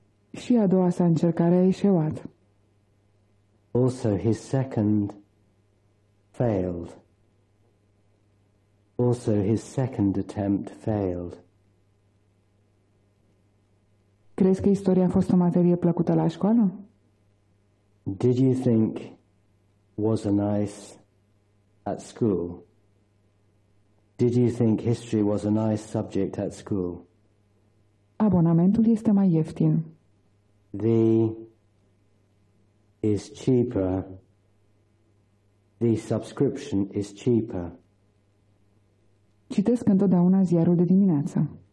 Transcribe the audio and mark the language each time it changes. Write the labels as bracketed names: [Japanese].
[Romanian] Și a doua sa încercare a eșuat. [English] Also his second failed. Also his second attempt failed. [Romanian] Crezi că istoria a fost o materie plăcută la școală? [English] Did you think was a nice at school? Did you think history was a nice subject at school? [Romanian] Abonamentul este mai ieftin. [English] The is cheaper. The subscription is cheaper. [Romanian] Citesc întotdeauna ziarul de dimineață.